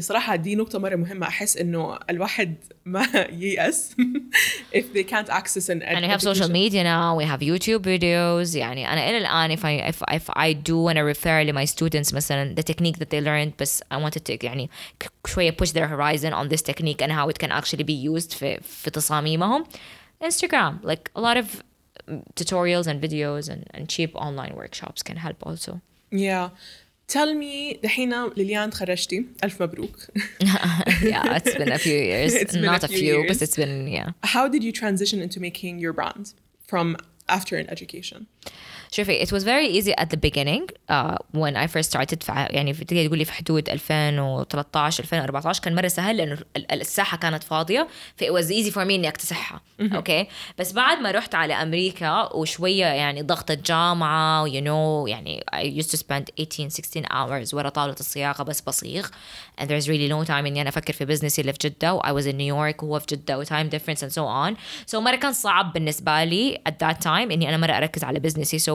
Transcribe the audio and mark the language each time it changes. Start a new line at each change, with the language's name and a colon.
Arabic: صراحة دي نقطة مرة مهمة, أحس إنه الواحد ما ييأس
English: if they can't access an education. And we have social media now, we have YouTube videos.
Arabic: يعني أنا إلى الآن
English: if I do want to refer to my students
Arabic: مثلا
English: the technique that they learned, بس I wanted to
Arabic: يعني شوية
English: push their horizon on this technique and how it can actually be used
Arabic: في تصاميمهم,
English: Instagram, like a lot of tutorials and videos and cheap online workshops can help also. Yeah. Tell me,
Arabic: دحين ليليان تخرجتي, ألف مبروك.
English: Yeah, it's been a few years. Not a few years. But it's been, yeah. How did you transition into making your brand from after an education?
Arabic: شوفي,
English: it was very easy at the beginning when I first started.
Arabic: يعني تقولي في حدود 2013-2014 كان مرة سهل لأنه الساحة كانت فاضية, ف
English: it was easy for me
Arabic: إني أكتسحها. Okay, بس بعد ما رحت على أمريكا وشوية يعني ضغط الجامعة, you know, يعني
English: I used to spend 18-16 hours
Arabic: ورا طاولة الصياغة بس بصيغ,
English: and there's really no time
Arabic: إني أنا أفكر في بزنسي اللي في جدة,
English: I was in New York
Arabic: وهو في جدة,
English: time difference and so on, so
Arabic: مرة كان صعب بالنسبة لي
English: at that time
Arabic: إني أنا مرة أركز على بزنسي.